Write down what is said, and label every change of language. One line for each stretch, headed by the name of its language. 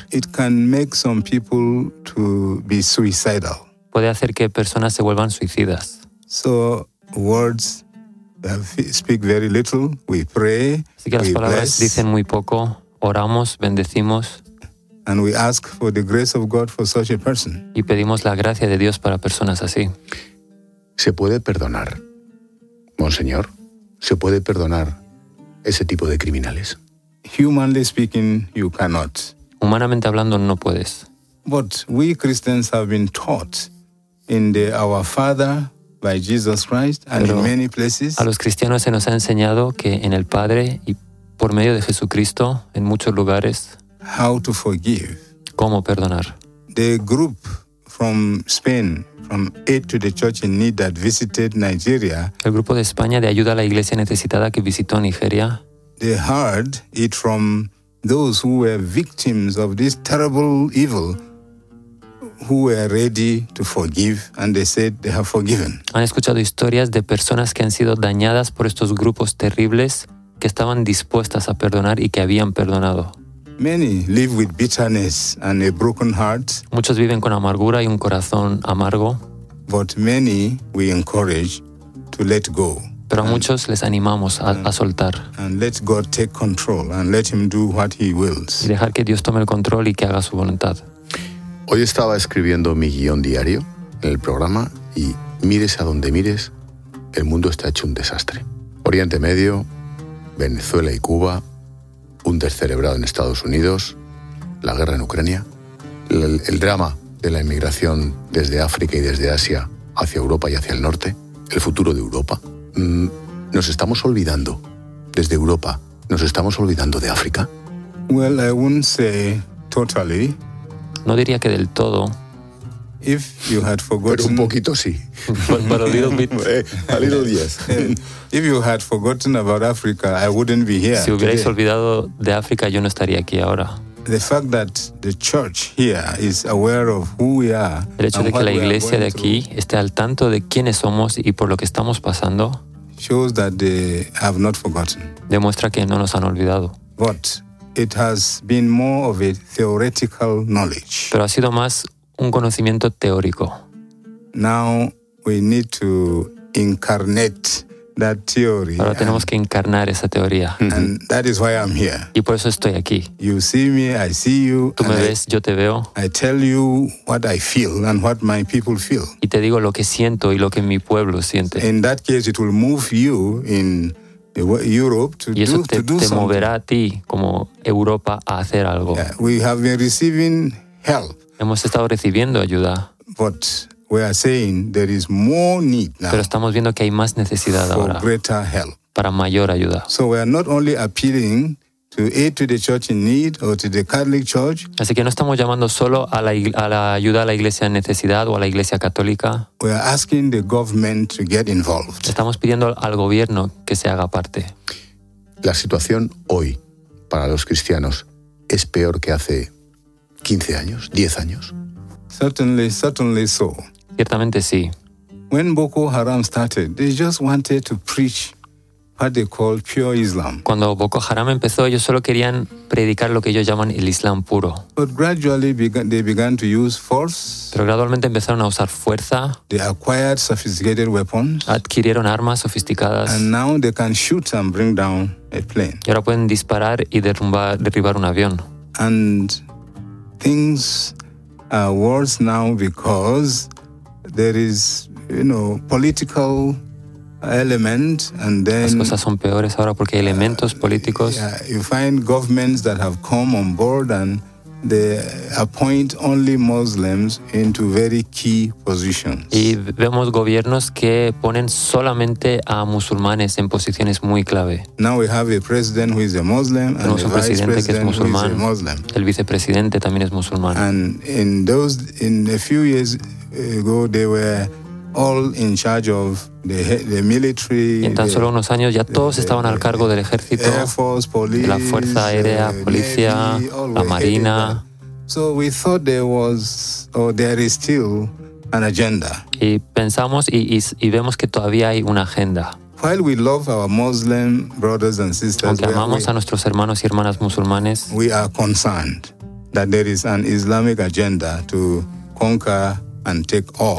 English: It can make some people to be suicidal.
Spanish: Puede hacer que personas se vuelvan suicidas.
English: So words speak very little. We pray.
Spanish: Así que las palabras dicen muy poco. Oramos, bendecimos.
English: And we ask for the grace of God for such a person.
Spanish: Y pedimos la gracia de Dios para personas así. ¿Se puede perdonar, Monseñor? ¿Se puede perdonar ese tipo de criminales?
English: Humanly speaking, you cannot.
Spanish: Humanamente hablando, no puedes.
English: But we Christians have been taught in the Our Father by Jesus Christ and in many places.
Spanish: A los cristianos se nos ha enseñado que en el Padre y por medio de Jesucristo, en muchos lugares.
English: How to forgive.
Spanish: ¿Cómo perdonar?
English: The group from Spain, from Aid to the Church in Need that visited Nigeria.
Spanish: El grupo de España de ayuda a la Iglesia necesitada que visitó Nigeria.
English: They heard it from those who were victims of this terrible evil, who were ready to forgive, and they said they have forgiven.
Spanish: Han escuchado historias de personas que han sido dañadas por estos grupos terribles, que estaban dispuestas a perdonar y que habían perdonado.
English: Many live with bitterness and a broken heart.
Spanish: Muchos viven con amargura y un corazón amargo.
English: But many we encourage to let go.
Spanish: Pero a muchos les animamos a soltar.
English: And let God take control and let him do what he wills.
Spanish: Y dejar que Dios tome el control y que haga su voluntad. Hoy estaba escribiendo mi guión diario en el programa y mires a donde mires, el mundo está hecho un desastre. Oriente Medio, Venezuela y Cuba, un descerebrado en Estados Unidos, la guerra en Ucrania, el drama de la inmigración desde África y desde Asia hacia Europa y hacia el norte, el futuro de Europa. ¿Nos estamos olvidando desde Europa? ¿Nos estamos olvidando de África?
English: Well, I wouldn't say totally.
Spanish: No diría que del todo.
English: If you had forgotten...
Spanish: Pero un poquito sí.
English: But a little bit. A little, yes. If you had forgotten about Africa, I wouldn't be here.
Spanish: Si hubierais
English: today.
Spanish: Olvidado de África, yo no estaría aquí ahora.
English: The fact that the church here is aware of who we are.
Spanish: El hecho de que la iglesia de aquí esté al tanto de quiénes somos y por lo que estamos pasando
English: shows that they have not forgotten.
Spanish: Demuestra que no nos han olvidado.
English: But it has been more of a theoretical knowledge.
Spanish: Pero ha sido más un conocimiento teórico.
English: Now we need to incarnate that theory.
Spanish: Ahora tenemos que encarnar esa teoría.
English: And that is why I'm here.
Spanish: Y por eso estoy aquí.
English: You see me, I see you.
Spanish: Tú me ves, yo te veo.
English: I tell you what I feel and what my people feel.
Spanish: Y te digo lo que siento y lo que mi pueblo siente.
English: In that case, it will move you in Europe to
Spanish: y eso
English: do,
Spanish: te,
English: to do
Spanish: te moverá a ti como Europa a hacer algo.
English: Yeah, we have been receiving help.
Spanish: Hemos estado recibiendo ayuda.
English: But we are saying there is more need now.
Spanish: Pero estamos viendo que hay más necesidad
English: for
Spanish: ahora.
English: Greater help.
Spanish: Para mayor ayuda.
English: So we are not only appealing to aid to the church in need or to the Catholic Church.
Spanish: Así que no estamos llamando solo a la ayuda a la iglesia en necesidad o a la iglesia católica.
English: We are asking the government to get involved.
Spanish: Estamos pidiendo al gobierno que se haga parte. La situación hoy para los cristianos es peor que hace 15 años, 10 años.
English: Certainly so.
Spanish: Ciertamente sí.
English: When Boko Haram started, they just wanted to preach what they call pure Islam.
Spanish: Cuando Boko Haram empezó, ellos solo querían predicar lo que ellos llaman el Islam puro.
English: But gradually they began to use force.
Spanish: Pero gradualmente empezaron a usar fuerza.
English: They acquired sophisticated weapons.
Spanish: Adquirieron armas sofisticadas.
English: And now they can shoot and bring down a plane.
Spanish: Y ahora pueden disparar y derribar un avión.
English: And things are worse now because there is, you know, political element, and then
Spanish: las cosas son peores ahora porque hay elementos políticos.
English: Yeah, you find governments that have come on board and they appoint only Muslims into very key positions.
Spanish: Y vemos gobiernos que ponen solamente a musulmanes en posiciones muy clave.
English: Now we have a president who is a Muslim and
Spanish: tenemos un presidente
English: vice president
Spanish: que es musulmán.
English: Who is a Muslim.
Spanish: El vicepresidente también es musulmán.
English: And in a few years ago they were all in charge of the military.
Spanish: Y en tan solo unos años ya todos estaban al cargo del ejército,
English: Air Force, police,
Spanish: la fuerza aérea, policía,
English: Navy,
Spanish: la marina.
English: So we thought there was, or there is still, an agenda.
Spanish: Y pensamos y vemos que todavía hay una agenda.
English: While we love our Muslim brothers and sisters,
Spanish: aunque amamos a nuestros hermanos y hermanas musulmanes,
English: we are concerned that there is an Islamic agenda to conquer and take all.